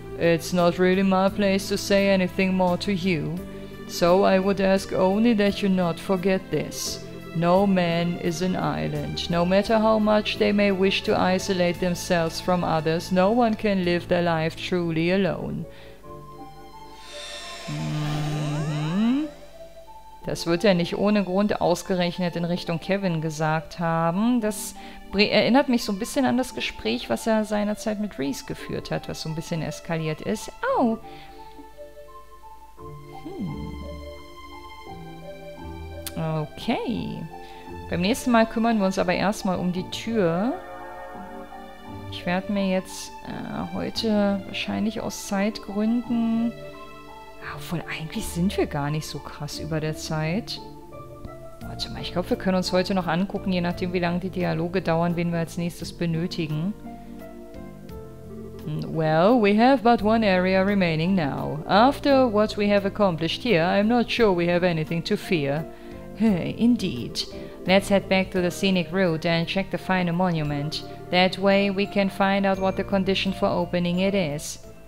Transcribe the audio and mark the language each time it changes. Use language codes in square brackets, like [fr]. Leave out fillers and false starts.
[en] It's not really my place to say anything more to you. So I would ask only that you not forget this. No man is an island. No matter how much they may wish to isolate themselves from others, no one can live their life truly alone. [de] Das wird er nicht ohne Grund ausgerechnet in Richtung Kevin gesagt haben. Das erinnert mich so ein bisschen an das Gespräch, was er seinerzeit mit Reese geführt hat, was so ein bisschen eskaliert ist. Au! Hm. Okay. Beim nächsten Mal kümmern wir uns aber erstmal um die Tür. Ich werde mir jetzt heute wahrscheinlich aus Zeitgründen... Obwohl, eigentlich sind wir gar nicht so krass über der Zeit. Warte mal, ich glaube, wir können uns heute noch angucken, je nachdem, wie lange die Dialoge dauern, wen wir als nächstes benötigen. [en] Well, we have but one area remaining now. After what we have accomplished here, I'm not sure we have anything to fear. Hey, indeed. Let's head back to the scenic route and check the final monument. That way we can find out what the condition for opening it is.